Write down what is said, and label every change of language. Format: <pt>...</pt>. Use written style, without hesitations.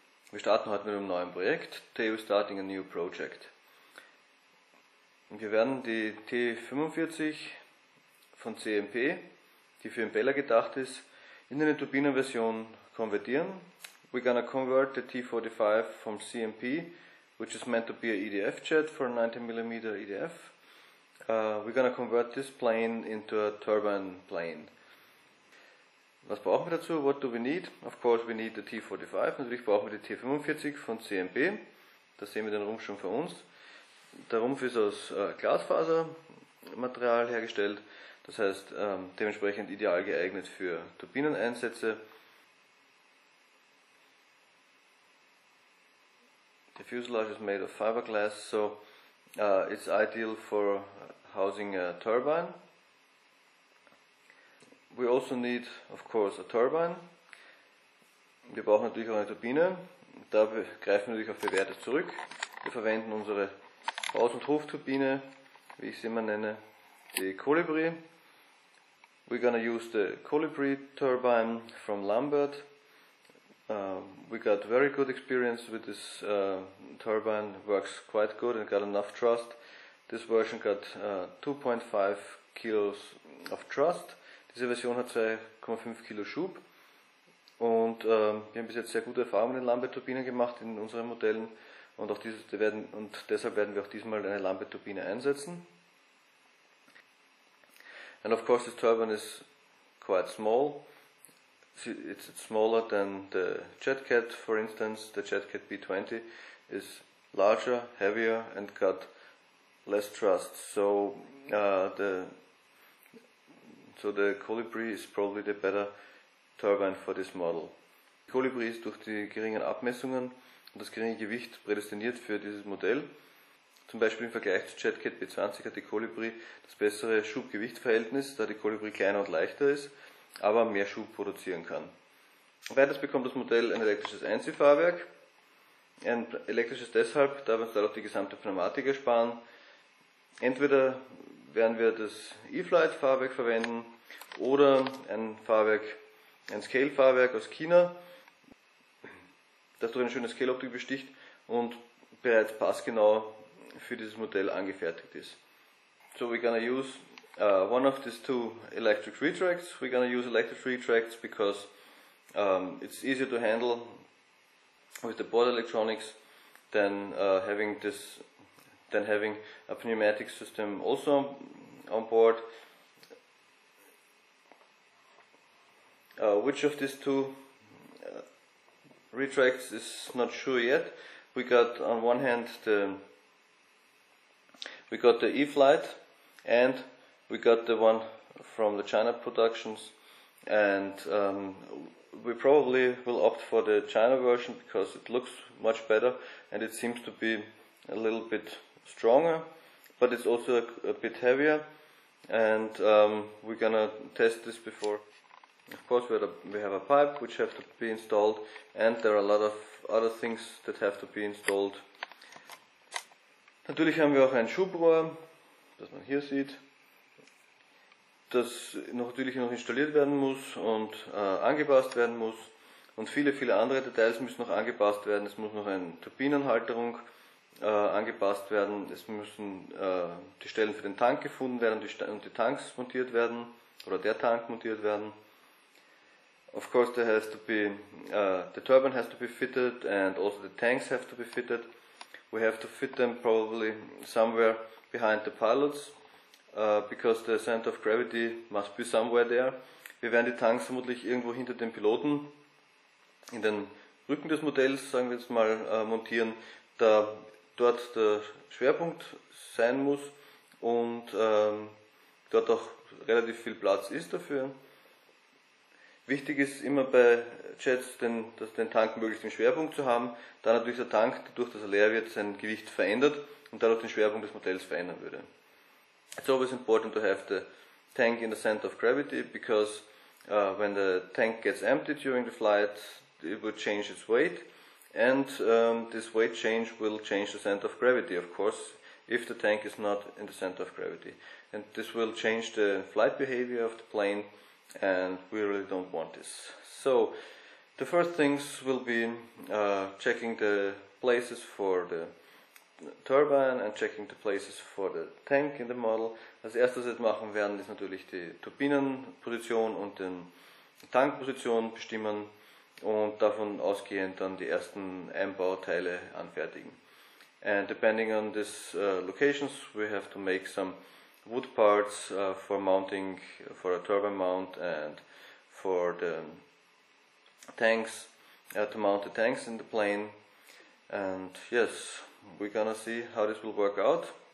<de>Wir starten heute mit einem neuen Projekt, TU</de> <en>Starting a New Project.</en> <de>Wir werden die T45 von CMP, die für Impeller gedacht ist, in eine Turbinenversion konvertieren.</de> <en>We're gonna convert the T45 from CMP, which is meant to be an EDF jet for a 90mm EDF. We're gonna convert this plane into a turbine plane.</en> <de>Was brauchen wir dazu?</de> <en>What do we need? Of course we need the T45,</en> <de>natürlich brauchen wir die T45 von CMP. Da sehen wir den Rumpf schon für uns. Der Rumpf ist aus Glasfasermaterial hergestellt, das heißt dementsprechend ideal geeignet für Turbineneinsätze.</de> <en>The fuselage is made of fiberglass, so it's ideal for housing a turbine. We also need, of course, a turbine.</en> <de>Wir brauchen natürlich auch eine Turbine. Da greifen wir natürlich auf bewährte zurück. Wir verwenden unsere Haus- und Hofturbine, wie ich sie immer nenne, die Colibri.</de> <en>We're gonna use the Colibri turbine from Lambert. We got very good experience with this turbine. Works quite good and got enough thrust. This version got 2.5 kilos of thrust.</en> <de>Diese Version hat 2,5 Kilo Schub und wir haben bis jetzt sehr gute Erfahrungen mit den Lambert-Turbinen gemacht in unseren Modellen und auch diese werden und deshalb werden wir auch diesmal eine Lambert-Turbine einsetzen.</de> <en>And of course this turbine is quite small. It's smaller than the JetCat, for instance. The JetCat B20 is larger, heavier and got less thrust. So the Colibri is probably the better turbine for this model.</en> <de>The Colibri ist durch die geringen Abmessungen und das geringe Gewicht prädestiniert für dieses Modell. Zum Beispiel im Vergleich zu JetCat B20 hat die Colibri das bessere Schub-Gewicht-Verhältnis, da die Colibri kleiner und leichter ist, aber mehr Schub produzieren kann. Weiters bekommt das Modell ein elektrisches Einziehfahrwerk. Ein elektrisches deshalb, da wir uns dadurch die gesamte Pneumatik ersparen. Entweder werden wir das E-Flight-Fahrwerk verwenden oder ein Fahrwerk, ein Scale-Fahrwerk aus China, das durch eine schöne Scale-Optik besticht und bereits passgenau für dieses Modell angefertigt ist.</de> <en>So we're gonna use one of these two electric retracts. We're gonna use electric retracts because it's easier to handle with the board electronics than having a pneumatic system also on board. Which of these two retracts is not sure yet. We got on one hand the E-Flight and we got the one from the China productions, and we probably will opt for the China version because it looks much better and it seems to be a little bit stronger, but it's also a bit heavier, and we're gonna test this before. Of course we have a pipe which have to be installed, and there are a lot of other things that have to be installed.</en> <de>Natürlich haben wir auch ein Schubrohr, das man hier sieht, das natürlich noch installiert werden muss und angepasst werden muss, und viele andere Details müssen noch angepasst werden. Es muss noch eine Turbinenhalterung angepasst werden, es müssen die Stellen für den Tank gefunden werden und die Tanks montiert werden oder der Tank montiert werden.</de> <en>Of course there has to be the turbine has to be fitted and also the tanks have to be fitted. We have to fit them probably somewhere behind the pilots because the center of gravity must be somewhere there.</en> <de>Wir werden die Tanks vermutlich irgendwo hinter den Piloten in den Rücken des Modells, sagen wir jetzt mal, montieren, da dort der Schwerpunkt sein muss und dort auch relativ viel Platz ist dafür. Wichtig ist immer bei Jets den Tank möglichst im Schwerpunkt zu haben, da natürlich der Tank, dadurch dass er leer wird, sein Gewicht verändert und dadurch den Schwerpunkt des Modells verändern würde.</de> <en>It's always important to have the tank in the center of gravity, because when the tank gets empty during the flight, it will change its weight. And this weight change will change the center of gravity, of course, if the tank is not in the center of gravity. And this will change the flight behavior of the plane and we really don't want this. So the first things will be checking the places for the turbine and checking the places for the tank in the model.</en> <de>Als erstes wir machen werden, ist natürlich die Turbinenposition und den Tankposition bestimmen und davon ausgehend dann die ersten Einbauteile anfertigen.</de> <en>And depending on this locations, we have to make some wood parts for mounting, for a turbine mount and for the tanks, to mount the tanks in the plane. And yes, we're gonna see how this will work out.</en>